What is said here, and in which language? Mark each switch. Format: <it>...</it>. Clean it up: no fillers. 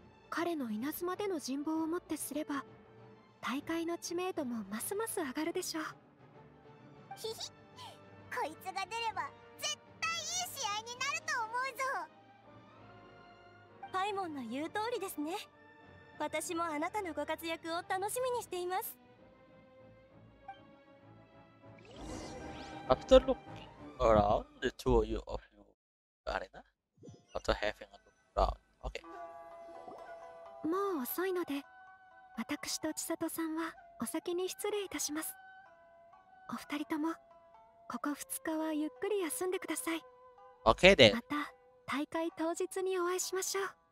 <ja>彼の稲妻での人望をもってすれば大会の知名度もますます上がるでしょう。ひひ、こいつが出れば絶対いい試合になると思うぞ。パイモンの言う通りですね。私もあなたのご活躍を楽しみにしています。</ja> <en>After looking around the two of you of the arena, after having a look around, okay.</en> <ja>もう遅いので私と千里さんはお先に失礼いたします。お二人ともここ2日はゆっくり休んでください。</ja> <en>Okay then.</en> <ja>また大会当日にお会いしましょう。</ja>